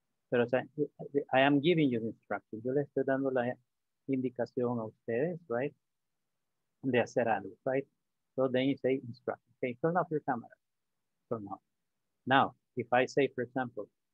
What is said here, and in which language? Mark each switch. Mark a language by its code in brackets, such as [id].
[es] Pero, o sea, [en] I am giving you the instructions. [es] Yo le estoy dando la indicación a ustedes, right? De hacer algo, right? [en] So then you say instruction. Okay, turn off your camera. Turn off. Now, if I say, for example,